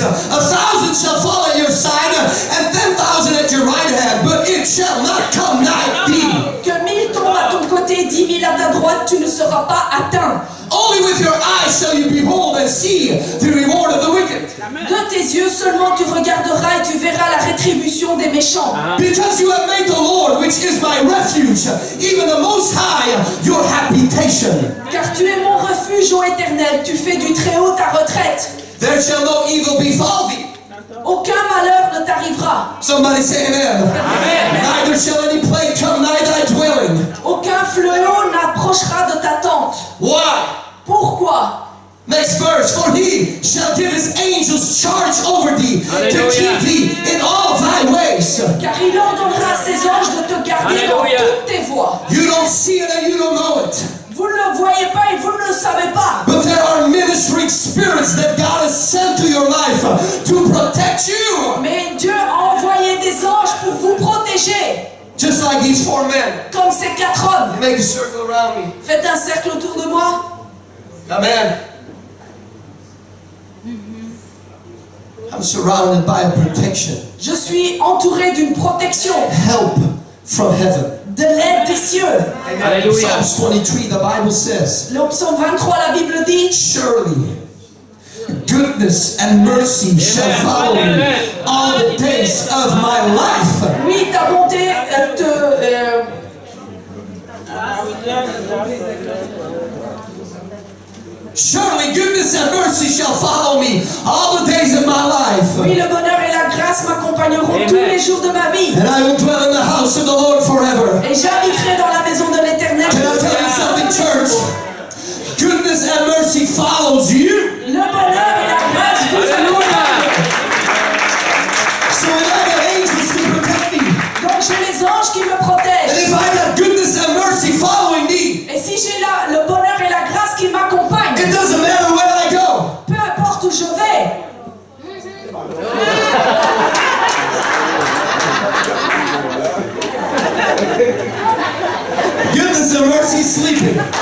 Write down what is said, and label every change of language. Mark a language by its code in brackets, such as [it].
[en] A thousand shall fall at your side, and 10,000 at your right hand, but it shall not come nigh thee. [fr] Que mille tombent à ton côté, 10,000 à ta droite, tu ne seras pas atteint. [en] Only with your eyes shall you behold and see the reward of the wicked. [fr] De tes yeux seulement tu regarderas et tu verras la rétribution des méchants. [en] Because you have made the Lord, which is my refuge, even the Most High, your habitation. [fr] Car tu es mon refuge, ô Éternel, tu fais du Très-Haut ta retraite. [en] There shall no evil befall thee. [fr] Aucun malheur ne t'arrivera. [en] Somebody say amen. Amen. Neither shall any plague come nigh thy dwelling. [fr] Aucun fléau n'approchera de ta tente. [en] Why? [fr] Pourquoi? [en] Next verse. For he shall give his angels charge over thee. Alleluia. To keep thee in all thy ways. [fr] Car il ordonnera ses anges de te garder. Alleluia. Dans toutes tes voies. [en] You don't see it and you don't know it. [fr] Vous ne le voyez pas et vous ne le savez pas. [en] But there are ministering spirits that God has sent to your life to protect you. [fr] Mais Dieu a envoyé des anges pour vous protéger. [en] Just like these four men. [fr] Comme ces quatre hommes. [en] You make a circle around me. [fr] Faites un cercle autour de moi. [en] Amen. I'm surrounded by a protection. [fr] Je suis entouré d'une protection. [en] Help from heaven. [fr] De l'aide des cieux. [en] Alléluia. Psalm 23, the Bible says. [fr] Le psaume 23, la Bible dit. [en] Surely, goodness and mercy Amen. Shall follow me all the days of my life. [fr] Oui, ta bonté te. [en] Surely goodness and mercy shall follow me all the days of my life. [fr] Oui, le bonheur et la grâce m'accompagneront Amen. Tous les jours de ma vie. [en] And I will dwell in the house of the Lord forever. [fr] Et j'habiterai dans la maison de l'Éternel. [en] Can I tell you something, church? Goodness and mercy follows you. [fr] Le bonheur et la grâce vous accompagnent. [en] So I have the angels to protect me. [fr] Donc j'ai les anges qui me protègent. [en] And if I have goodness and mercy following me. [fr] Et si j'ai là le bonheur et la grâce qui m'accompagnent. [en] It doesn't matter where I go. [fr] Peu importe où je vais. [en] Goodness and mercy is sleeping.